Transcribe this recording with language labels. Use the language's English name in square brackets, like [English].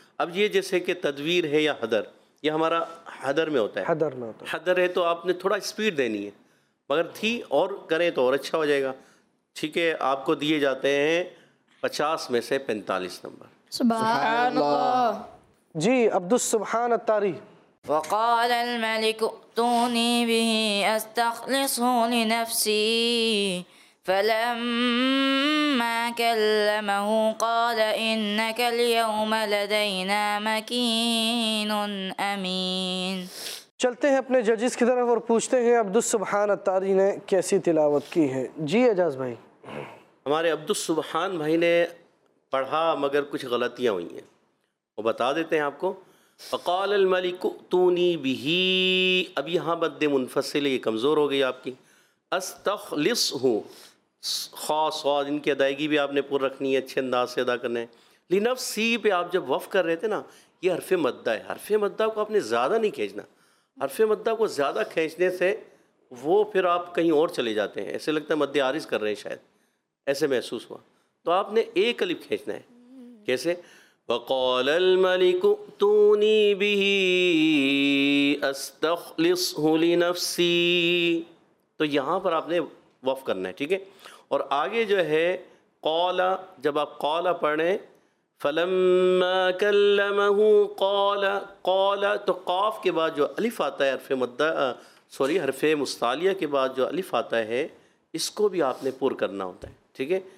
[Urdu] اب یہ جیسے کہ تدویر ہے یا حدر، یہ ہمارا حدر میں ہوتا ہے، حدر میں ہوتا ہے. حدر ہے تو آپ نے تھوڑا اسپیڈ دینی ہے، مگر تھی اور کریں تو اور اچھا ہو جائے گا. ٹھیک ہے، آپ کو دیے جاتے ہیں 50 میں سے 45 نمبر. سبحان اللہ. جی عبدالسبحان التاری. [Arabic] وقال الملك ائتوني به استخلصه لنفسي فلما كلمه قال انك اليوم لدينا مكين امين. [Urdu] چلتے ہیں اپنے ججز کی طرف اور پوچھتے ہیں عبدالسبحان التاری نے کیسی تلاوت کی ہے. جی اعجاز بھائی. ہمارے عبدالسبحان بھائی نے پڑھا مگر کچھ غلطیاں ہوئی ہیں، وہ بتا دیتے ہیں آپ کو. [Arabic] فقال الملك ائتوني به، [Urdu] اب یہاں مد منفصل، یہ کمزور ہو گئی آپ کی. استخلصه، خاص خاص ان کی ادائیگی بھی آپ نے پور رکھنی ہے، اچھے انداز سے ادا کرنا ہے. لنفسی پہ آپ جب وقف کر رہے تھے نا، یہ حرف مدہ ہے، حرف مدہ کو آپ نے زیادہ نہیں کھینچنا. حرف مدہ کو زیادہ کھینچنے سے وہ پھر آپ کہیں اور چلے جاتے ہیں، ایسے لگتا ہے مد عارض کر رہے ہیں، شاید ایسے محسوس ہوا. تو آپ نے ایک الف کھینچنا ہے. کیسے؟ [Arabic] وقال الملك ائتوني به استخلصه لنفسي. [Urdu] تو یہاں پر آپ نے وقف کرنا ہے، ٹھیک ہے. اور آگے جو ہے قال، جب آپ قال پڑھیں، [Arabic] فلما كلمه قال، [Urdu] قال تو قاف کے بعد جو الف آتا ہے، حرف مدہ سوری حرف مستعلیہ کے بعد جو الف آتا ہے، اس کو بھی آپ نے پر کرنا ہوتا ہے، ٹھیک ہے.